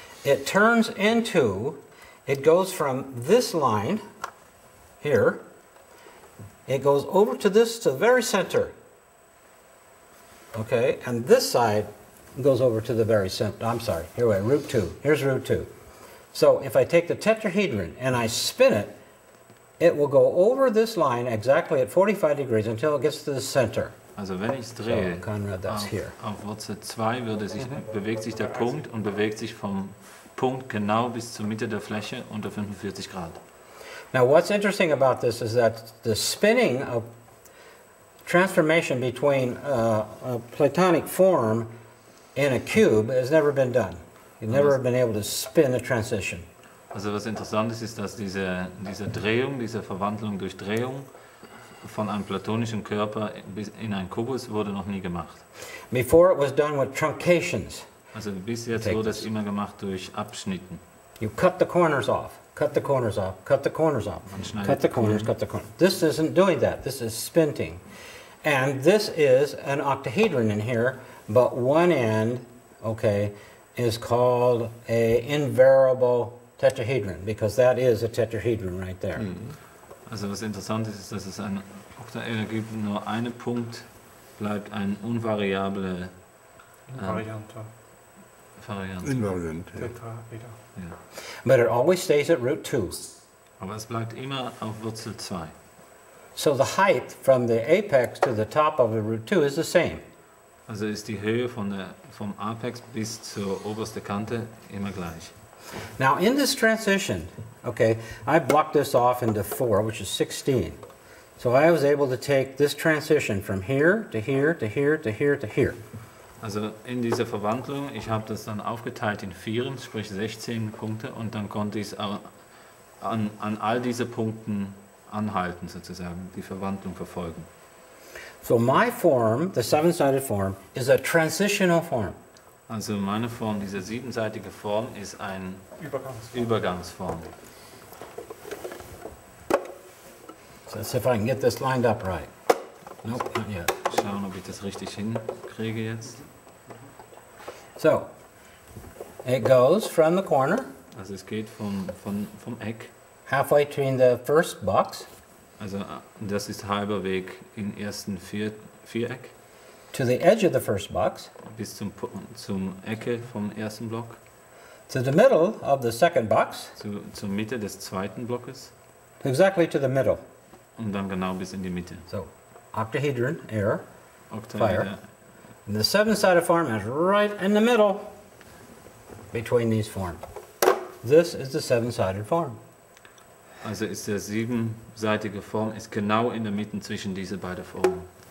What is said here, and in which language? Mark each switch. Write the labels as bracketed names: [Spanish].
[English] It turns into, it goes from this line here, it goes over to this, to the very center. Okay. And this side goes over to the very center. I'm sorry. Here we are. Root two. Here's root two. So if I take the tetrahedron and I spin it, it will go over this line exactly at 45 degrees until it gets to the center. [German] Also wenn ich es drehe, so, Conrad, auf Wurzel 2 würde sich, bewegt sich der Punkt und bewegt sich vom Punkt genau bis zur Mitte der Fläche unter 45 Grad. [English] Now what's interesting about this is that the spinning of transformation between a platonic form in a cube has never been done. You've never been able to spin a transition. [German] Also was interessant ist, ist, dass diese Drehung, diese Verwandlung durch Drehung von einem platonischen Körper in einen Kubus wurde noch nie gemacht. [English] Before it was done with truncations. [German] Also bis jetzt wurde es immer gemacht durch Abschnitten. [English] You cut the corners off, cut the corners off, cut the corners off, cut the corners, cut the corners. This isn't doing that. This is spinning, and this is an octahedron in here, but one end, okay, is called a invariable tetrahedron because that is a tetrahedron right there. [German] Also was interessant ist, ist, dass es ein Oktaeder gibt, nur ein Punkt bleibt ein unvariable Variante. [English] Invariant. [German] Tetraeder. [English] But it always stays at root 2. [German] Aber es bleibt immer auf Wurzel 2. [English] So the height from the apex to the top of the root 2 is the same. [German] Also ist die Höhe von der, vom Apex bis zur obersten Kante immer gleich. [English] Now in this transition, okay, I blocked this off into 4, which is 16. So I was able to take this transition from here to here to here to here to here. [German] Also in dieser Verwandlung, ich habe das dann aufgeteilt in 4, sprich 16 Punkte, und dann konnte ich es an all diese Punkten anhalten, sozusagen, die Verwandlung verfolgen. [English] So my form, the seven-sided form, is a transitional form. [German] Also meine Form, diese siebenseitige Form, ist ein Übergangsform. Übergangsform. [English] Let's see if I can get this lined up right. Nope, not yet. [German] Schauen, ob ich das richtig hinkriege jetzt. [English] So, it goes from the corner. [German] Also es geht vom Eck. [English] Halfway between the first box. [German] Also das ist halber Weg im ersten Viereck. [English] To the edge of the first box. [German] Bis zum Ecke vom ersten Block. [English] To the middle of the second box. [German] Zur Mitte des zweiten Blockes. [English] Exactly to the middle. [German] Und dann genau bis in die Mitte. [English] So, octahedron, air, fire. And the seven-sided form is right in the middle between these forms. This is the seven-sided form. [German] Also ist der siebenseitige Form ist genau in der Mitte zwischen diese beiden Formen.